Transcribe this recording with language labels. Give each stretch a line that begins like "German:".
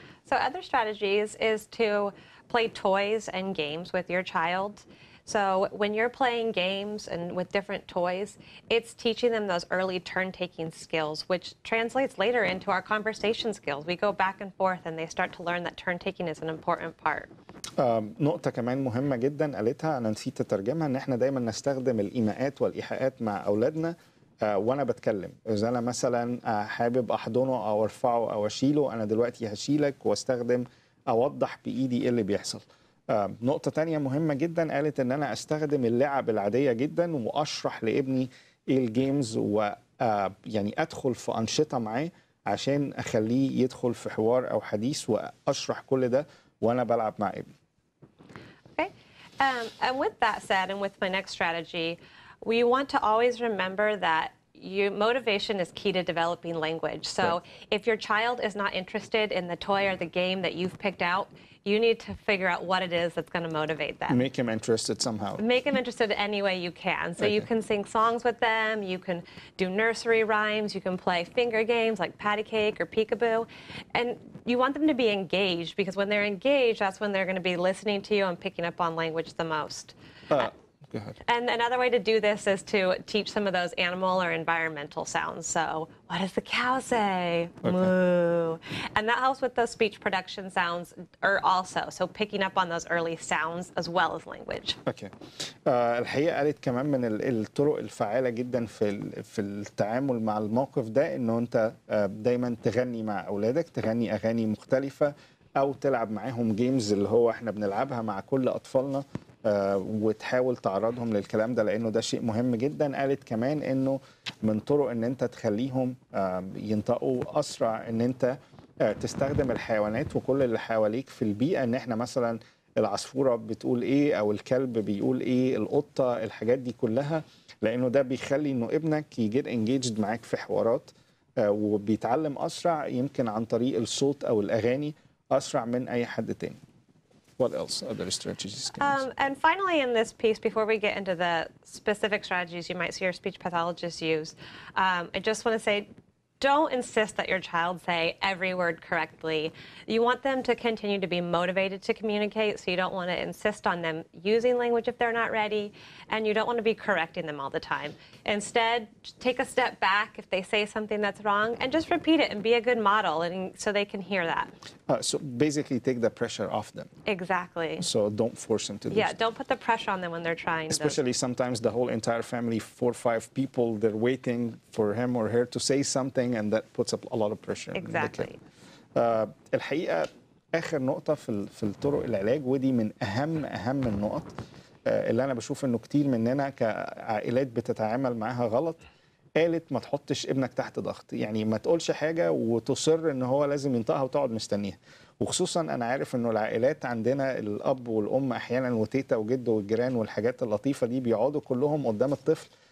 English: So other strategies is to play toys and games with your child. So when you're playing games and with different toys, it's teaching them those early turn-taking skills, which translates later into our conversation skills. We go back and forth, and they start to learn that turn-taking is an important part.
Arabic: نقطة كمان مهمة جدا قالتها أنا نسيت أترجمها إن إحنا دايما نستخدم الإيماءات والإيحاءات مع أولادنا وأنا بتكلم إذا أنا مثلا حابب أحضنه أو أرفعه أو أشيله أنا دلوقتي هشيلك وأستخدم أوضح بإيدي إيه اللي بيحصل نقطة تانية مهمة جدا قالت إن أنا أستخدم اللعب العادية جدا وأشرح لإبني إيه الجيمز ويعني أدخل في أنشطة معاه عشان أخليه يدخل في حوار أو حديث وأشرح كل ده وأنا بلعب مع إبني.
English: Okay. And with that said, and with my next strategy, we want to always remember that your motivation is key to developing language. So if your child is not interested in the toy or the game that you've picked out, you need to figure out what it is that's going to motivate them. Make him interested somehow. Make him interested any way you can. So you can sing songs with them, you can do nursery rhymes, you can play finger games like patty cake or peekaboo. And you want them to be engaged because when they're engaged, that's when they're going to be listening to you and picking up on language the most. And another way to do this is to teach some of those animal or environmental sounds. So, what does the cow say? Moo. And that helps with those speech production sounds or also. So, picking up on those early sounds as well as language. Okay.
Arabic: الحقيقة قالت كمان من الطرق الفعالة جدا في التعامل مع الموقف ده إنه أنت دايما تغني مع أولادك، تغني أغاني مختلفة أو تلعب معهم games اللي هو إحنا بنلعبها مع كل أطفالنا. وتحاول تعرضهم للكلام ده لأنه ده شيء مهم جدا قالت كمان أنه من طرق أن أنت تخليهم ينطقوا أسرع أن أنت تستخدم الحيوانات وكل اللي حواليك في البيئة أن إحنا مثلا العصفورة بتقول إيه أو الكلب بيقول إيه القطة الحاجات دي كلها لأنه ده بيخلي أنه ابنك يجد engaged معاك في حوارات وبيتعلم أسرع يمكن عن طريق الصوت أو الأغاني أسرع من أي حد تاني
English: What else? Other strategies? And finally, in this piece, before we get into the specific strategies you might see your speech pathologist use, I just want to say, don't insist that your child say every word correctly. You want them to continue to be motivated to communicate, so you don't want to insist on them using language if they're not ready, and you don't want to be correcting them all the time. Instead, take a step back if they say something that's wrong, and just repeat it and be a good model and so they can hear that. So basically take the pressure off them. Exactly. So don't force them to do Yeah, stuff. Don't put the pressure on them when they're trying. Especially sometimes the whole entire family, 4 or 5 people, they're waiting for him or her to say something and that puts up a lot of pressure. Exactly.
Arabic: الحقيقة آخر نقطة في الطرق العلاج ودي من أهم النقط اللي أنا بشوف إنه كتير مننا كعائلات بتتعامل معها غلط قالت ما تحطش ابنك تحت ضغط يعني ما تقولش حاجة وتصر إنه هو لازم ينطقها وتقعد مستنيها وخصوصا أنا عارف إنه العائلات عندنا الأب والأم أحيانا وتيتا وجد والجيران والحاجات اللطيفة دي بيقعدوا كلهم قدام الطفل